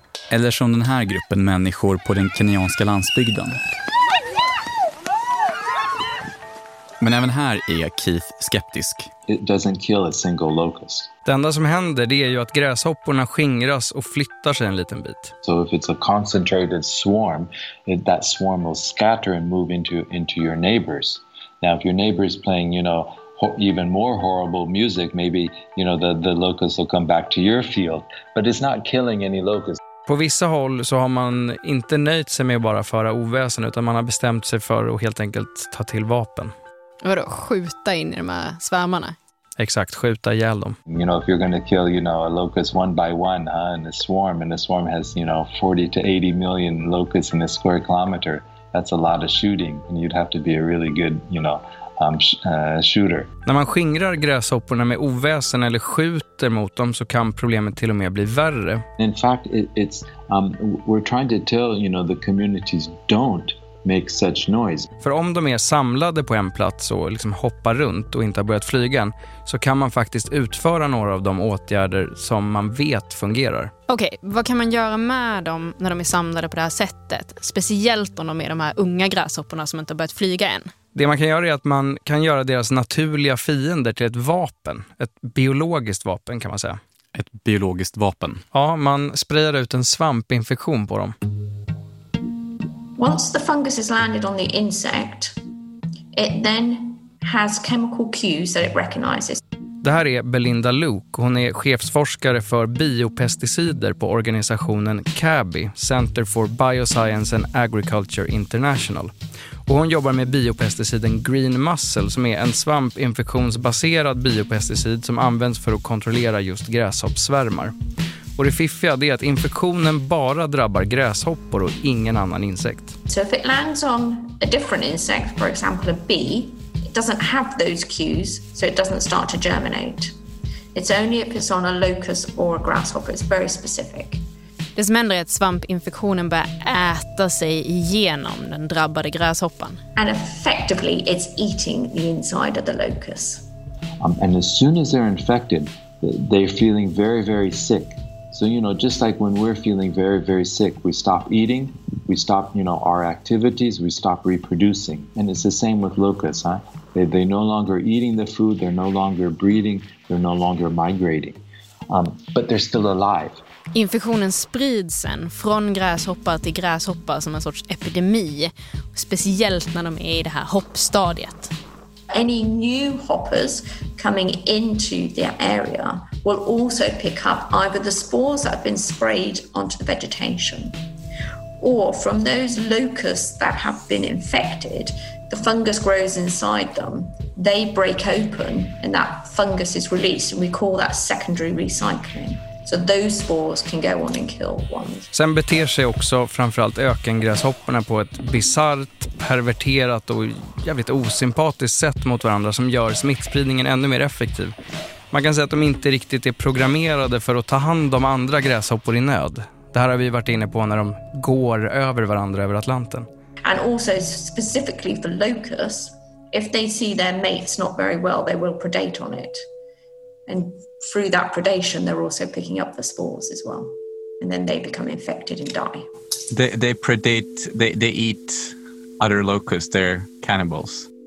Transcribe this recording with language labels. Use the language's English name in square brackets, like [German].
[Swedish] Eller som den här gruppen människor på den kenyanska landsbygden. Men även här är Keith skeptisk. [English] It doesn't kill a single locust. [Swedish] Det enda som händer det är ju att gräshopporna skingras och flyttar sig en liten bit. [English] So if it's a concentrated swarm, that swarm will scatter and move into your neighbors. Now if your neighbor is playing, you know, even more horrible music, maybe, you know, the locusts will come back to your field, but it's not killing any locusts. [Swedish] På vissa håll så har man inte nöjt sig med bara föra oväsen, utan man har bestämt sig för att helt enkelt ta till vapen. Vadå, skjuta in i de här svärmarna? Exakt, skjuta ihjäl dem. [English] You know, if you're going to kill, you know, a locust one by one, in a swarm has, you know, 40 to 80 million locusts in a square kilometer, that's a lot of shooting, and you'd have to be a really good, you know, shooter. [Swedish] När man skingrar gräshopporna med oväsen eller skjuter mot dem, så kan problemet till och med bli värre. [English] In fact, it's we're trying to tell, you know, the communities don't make such noise. [Swedish] För om de är samlade på en plats och liksom hoppar runt och inte har börjat flyga än, så kan man faktiskt utföra några av de åtgärder som man vet fungerar. Okej, vad kan man göra med dem när de är samlade på det här sättet? Speciellt om de är de här unga gräshopporna som inte har börjat flyga än. Det man kan göra är att man kan göra deras naturliga fiender till ett vapen. Ett biologiskt vapen kan man säga. Ett biologiskt vapen? Ja, man sprider ut en svampinfektion på dem. [English] Once the fungus has landed on the insect, it then has chemical cues that it recognizes. [Swedish] Det här är Belinda Luke. Hon är chefsforskare för biopesticider på organisationen CABI, Center for Bioscience and Agriculture International. och hon jobbar med biopesticiden Green Mussel som är en svampinfektionsbaserad biopesticid som används för att kontrollera just gräshoppsvärmar. Och det fiffiga är att infektionen bara drabbar gräshoppor och ingen annan insekt. [English] So if it lands on a different insect, for example a bee, it doesn't have those cues, so it doesn't start to germinate. It's only if it's on a locust or a grasshopper, it's very specific. [Swedish] Det som händer är att svampinfektionen börjar äta sig igenom den drabbade gräshoppan. [English] And effectively it's eating the inside of the locust. And as soon as they're infected, they're feeling very, very sick. So you know, just like when we're feeling very, very sick, we stop eating, we stop, you know, our activities, we stop reproducing. And it's the same with locusts, huh? They're no longer eating the food, they're no longer breeding, they're no longer migrating. But they're still alive. [Swedish] Infektionen sprids sen från gräshoppa till gräshoppa som en sorts epidemi, speciellt när de är i det här hoppstadiet. [English] Any new hoppers coming into their area will also pick up either the spores that have been sprayed onto the vegetation or from those locusts that have been infected, the fungus grows inside them. They break open and that fungus is released and we call that secondary recycling. So those spores can go on and kill ones. [Swedish] Sen beter sig också framförallt ökengräshopporna på ett bizarrt, perverterat och jävligt osympatiskt sätt mot varandra som gör smittspridningen ännu mer effektiv. Man kan säga att de inte riktigt är programmerade för att ta hand om andra gräshoppor i nöd. Det här har vi varit inne på när de går över varandra över Atlanten. [English] And also specifically for locusts, if they see their mates not very well, they will predate on it. And through that predation they're also picking up the spores as well. And then they become infected and die. They predate, they eat other locusts, they're cannibals.